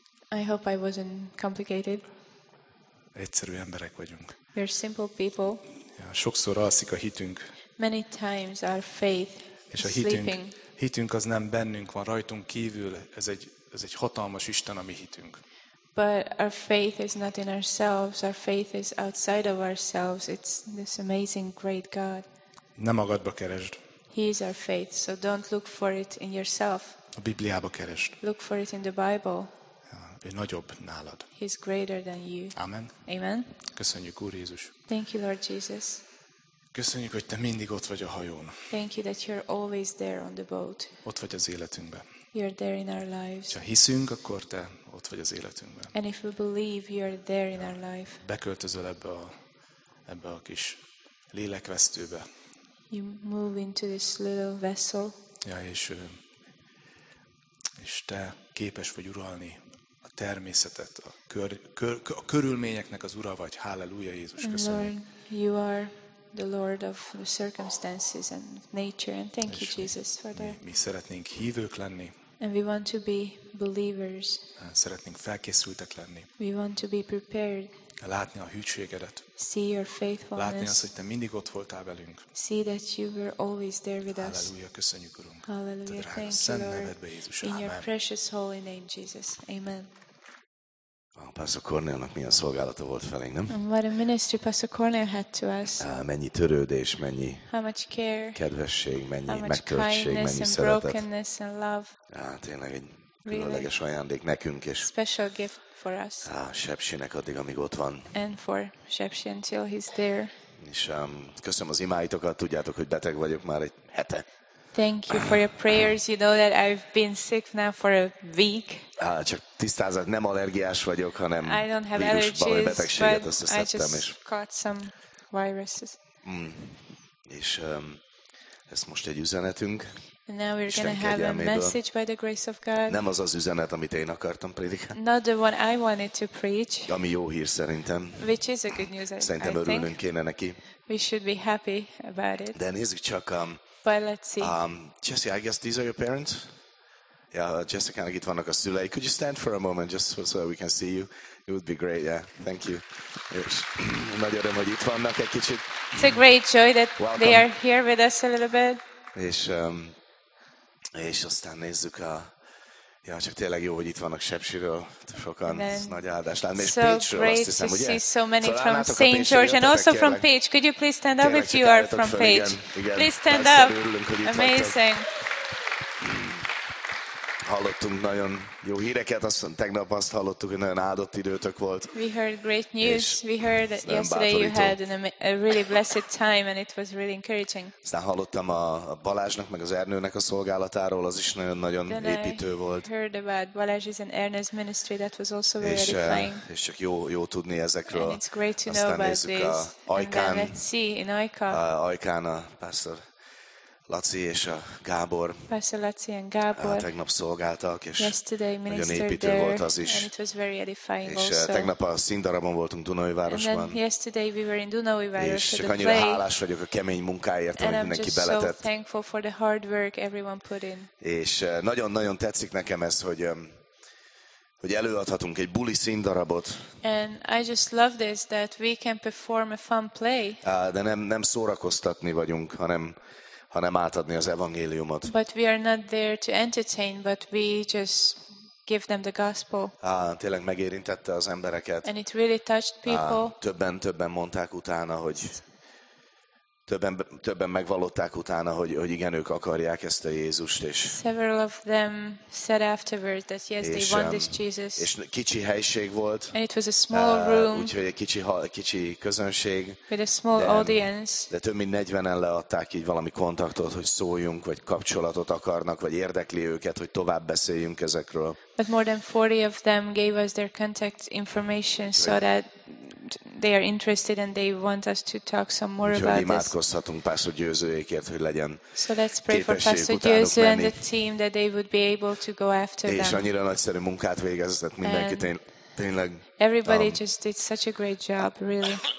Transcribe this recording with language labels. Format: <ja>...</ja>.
<en>I hope I wasn't complicated.</en> <hu>Egyszerű emberek vagyunk.</hu> <en>We're simple people.</en> <hu>Ja, sokszor alszik a hitünk.</hu> <en>Many times our faith</en> <hu>És a hitünk az nem bennünk van, rajtunk kívül, ez egy hatalmas Isten, a mi hitünk.</hu> <en>But our faith is not in ourselves, our faith is outside of ourselves. It's this amazing great God.</en> <hu>Nem magadba keresd.</hu> <en>He is our faith, so don't look for it in yourself.</en> <hu>A Bibliába keresd.</hu> <en>Look for it in the Bible.</en> <hu>Ő nagyobb nálad.</hu> <en>He's greater than you. Amen. Amen.</en> <hu>Köszönjük, Úr Jézus.</hu> <en>Thank you, Lord Jesus.</en> <hu>Köszönjük, hogy te mindig ott vagy a hajón.</hu> <en>Thank you that you're always there on the boat.</en> <hu>Ott vagy az életünkben.</hu> <en>You're there in our lives.</en> <hu>Ha hiszünk, akkor te ott vagy az életünkben.</hu> <en>And if we believe, you're there in our life.</en> <hu>Beköltözöl ebbe a kis lélekvesztőbe.</hu> <en>You move into this little vessel.</en> <hu>Ja, és te képes vagy uralni a természetet, a körülményeknek az ura vagy. Halleluja, Jézus, köszönjük.</hu> <en>Lord, you are the Lord of the circumstances and nature, and thank you, Jesus, for that.</en> <hu>Mi szeretnénk hívők lenni.</hu> <en>And we want to be believers.</en> <hu>Szeretnénk felkészültek lenni.</hu> <en>We want to be prepared.</en> <hu>Látni a hűségedet.</hu> <en>See your faithfulness.</en> <hu>Látni azt, hogy te mindig ott voltál velünk.</hu> <en>See that you were always there with us.</en> <hu>Halleluja, köszönjük, Urunk.</hu> <en>Halleluja, thank you,</en> <hu>Szent nevedbe, Jézus.</hu> <en>In your precious holy name, Jesus. Amen.</en> <hu>Pastor Cornélnak milyen szolgálata volt felénk, nem?</hu> <en>What a ministry Pastor Cornél had to us.</en> <hu>Mennyi törődés, mennyi</hu> <en>how much care,</en> <hu>kedvesség, mennyi megköltség, mennyi szeretet.</hu> <en>Brokenness and love.</en> <hu>Tényleg egy különleges ajándék nekünk, és</hu> <en>special gift for us.</en> <hu>Sepsinek addig, amíg ott van.</hu> <en>And for Sepsi until he's there.</en> <hu>És köszönöm az imáitokat, tudjátok, hogy beteg vagyok már egy hete.</hu> <en>Thank you for your prayers. You know that I've been sick now for a week.</en> <hu>Csak tisztázat, nem allergiás vagyok, hanem</hu> <en>I don't have allergies, but I just</en> <hu>és</hu> <en>caught some viruses.</en> <hu>És ez most egy üzenetünk.</hu> <en>And now we're going to have a message by the grace of God.</en> <hu>Nem az üzenet, amit én akartam prédikálni.</hu> <en>Not the one I wanted to preach.</en> <hu>Ami jó hír szerintem.</hu> <en>Which is a good news,</en> <hu>szerintem örülnünk kéne neki.</hu> <en>We should be happy about it.</en> <hu>De nézzük csak</hu> <en>But let's see. Jesse, I guess these are your parents. Yeah, Jessica,</en> <hu>itt vannak a szülei.</hu> <en>Could you stand for a moment just so we can see you? It would be great, yeah. Thank you.</en> <hu>Nagy öröm, hogy itt vannak egy kicsit.</hu> <en>It's a great joy that Welcome. They are here with us a little bit.</en> <hu>És aztán nézzük a... Ja, csak tényleg jó, hogy itt vannak Sepsiről. Sokan, nagy áldás. Látom, és</hu> <en>so great</en> <hu>azt hiszem,</hu> <en>to</en> <hu>ugye?</hu> <en>See so many Talán from St. George and also from Page. Could you please stand up if you are from Page? Please stand up. Amazing.</en> <hu>Hallottunk nagyon jó híreket. Tegnap azt hallottuk, hogy nagyon áldott időtök volt.</hu> <en>We heard great news. We heard that yesterday you had a really blessed time, and it was really encouraging.</en> <hu>Aztán hallottam a Balázsnak, meg az Ernőnek a szolgálatáról. Az is nagyon-nagyon építő volt.</hu> <en>Then I heard about Balázs's and Ernő's ministry. That was also very edifying.</en> <hu>És csak jó tudni ezekről.</hu> <en>And it's great to know about this.</en> <hu>Ajkán,</hu> <en>let's see in Ajka.</en> <hu>Ajkán a pastor. Laci és a Gábor.</hu> <en>Persze Laci and Gábor.</en> <hu>Tegnap szolgáltak, és nagyon építő</hu> <en>there,</en> <hu>volt az is.</hu> <en>And it was very edifying</en> <hu>és</hu> <en>also.</en> <hu>Tegnap a színdarabon voltunk Dunaujvárosban.</hu> <en>And then yesterday we were in Dunaujváros.</en> <hu>És csak annyira hálás vagyok a kemény munkáért, amit mindenki beletett.</hu> <en>And I'm just so thankful for the hard work everyone put in.</en> <hu>És nagyon-nagyon tetszik nekem ez, hogy előadhatunk egy buli színdarabot.</hu> <en>And I just love this that we can perform a fun play.</en> <hu>De nem szórakoztatni vagyunk, hanem átadni az evangéliumot.</hu> <en>But we are not there to entertain, but we just give them the gospel.</en> <hu>Tényleg megérintette az embereket.</hu> <en>And it really touched people.</en> <hu>Többen mondták utána, hogy többen megvallották utána, hogy igen, ők akarják ezt a Jézust, és</hu> <en>several of them said afterwards that yes, they want this Jesus.</en> <hu>És kicsi helység volt.</hu> <en>And it was a small room.</en> <hu>Úgyhogy egy kicsi közönség.</hu> <en>With a small audience.</en> <hu>De több mint 40-en leadták így valami kontaktot, hogy szóljunk, vagy kapcsolatot akarnak, vagy érdekli őket, hogy tovább beszéljünk ezekről.</hu> <en>But more than 40 of them gave us their contact information so that they are interested and they want us to talk some more about this.</en> <hu>Imádkozhatunk Pásztor Győzőékért, hogy legyen</hu> <en>so let's pray for Pastor Győző and the team that they would be able to go after</en> <hu>és</hu> <en>them.</en> <hu>És annyira nagyszerű munkát végeztek mindenki, tényleg.</hu> <en>Everybody just did such a great job, really.</en>